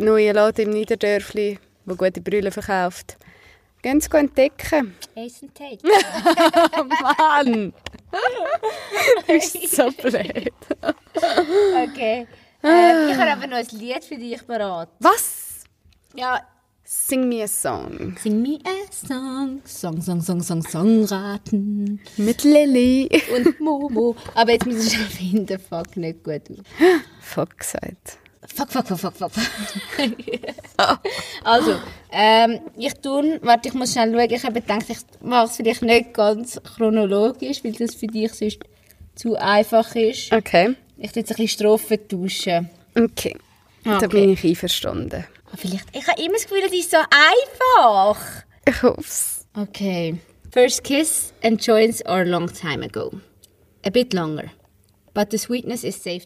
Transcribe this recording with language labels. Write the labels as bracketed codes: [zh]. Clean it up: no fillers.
[de] Neue Laden im Niederdörfli, wo gute Brille verkauft. Gehen Sie entdecken. Ace and Tate. Mann! Du bist so blöd. Okay. Ich habe aber noch ein Lied für dich bereit. Was? Ja. [en] Sing me a song. Sing me a song. [de] Song, song, song, song, song raten. Mit Lilly. Und Momo. Aber jetzt muss ich schon finden. Fuck, nicht gut. Fuck gesagt. Fuck, fuck, fuck, fuck, fuck. Oh. Also, ich tue, warte, ich muss schnell schauen. Ich habe gedacht, ich mache es vielleicht nicht ganz chronologisch, weil das für dich sonst zu einfach ist. Okay. Ich tue jetzt ein bisschen Strophen tauschen. Okay. Da bin ich einverstanden. Vielleicht. Ich habe immer das Gefühl, es ist so einfach. Ich hoffe es. Okay. [en] First kiss and joints are a long time ago. A bit longer. But the sweetness is safe.